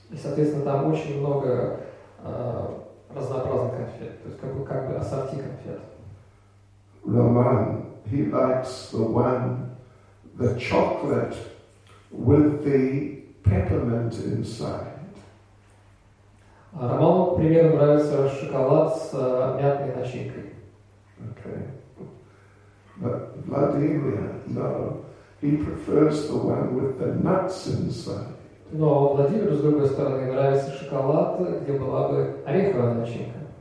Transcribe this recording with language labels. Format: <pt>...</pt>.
<ru>И, соответственно, там очень много разнообразных конфет. То есть как бы ассорти конфет.</ru> <en>Роман, he likes the one, the chocolate with the peppermint inside.</en> <ru>Роман, к примеру, нравится шоколад с мятной начинкой.</ru> <en>Okay. But Владимир, no, he prefers the one with the nuts inside.</en> <ru>Но Владимир, с другой стороны, нравится шоколад, где была бы ореховая начинка.</ru>